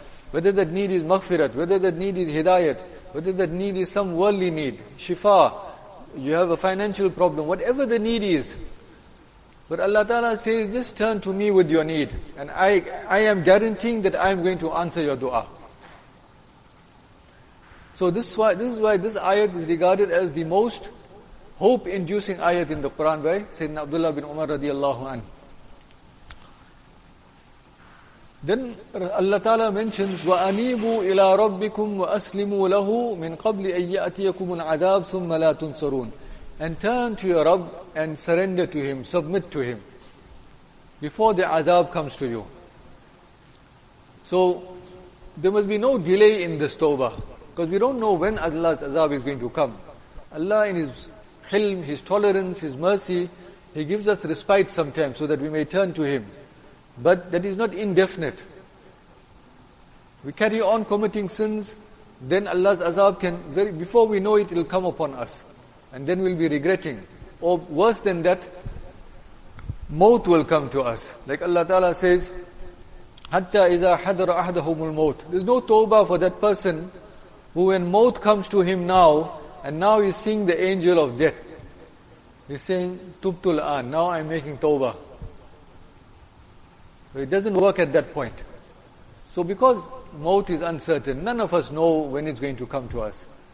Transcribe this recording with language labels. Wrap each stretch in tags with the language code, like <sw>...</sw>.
<en>Whether that need is maghfirat, whether that need is hidayat, whether that need is some worldly need, shifa, you have a financial problem, whatever the need is, but Allah Ta'ala says, just turn to me with your need. And I am guaranteeing that I am going to answer your dua. So this is why this ayat is regarded as the most hope-inducing ayat in the Quran by Sayyidina Abdullah bin Umar radiallahu anhu.</en> <ar>Then Allah Ta'ala mentions, وَأَنِيبُوا إِلَىٰ رَبِّكُمْ وَأَسْلِمُوا لَهُ مِنْ قَبْلِ أَن يَأْتِيَكُمُ الْعَذَابُ ثُمَّ لَا تُنْصَرُونَ.</ar> <en>And turn to your Rabb and surrender to Him, submit to Him, before the azab comes to you. So, there must be no delay in this tawbah, because we don't know when Allah's azab is going to come. Allah in His hilm, His tolerance, His mercy, He gives us respite sometimes, so that we may turn to Him. But that is not indefinite. We carry on committing sins, then Allah's azab can, before we know it, it will come upon us. And then we'll be regretting. Or worse than that, موت will come to us. Like Allah Ta'ala says,</en> <ar>حتى إذا حضر أحدهم الموت.</ar> <en>There's no tawbah for that person who, when موت comes to him now, and now he's seeing the angel of death. He's saying,</en> <ar>تبت الآن.</ar> <en>Now I'm making tawbah. So it doesn't work at that point. So because موت is uncertain, none of us know when it's going to come to us.</en>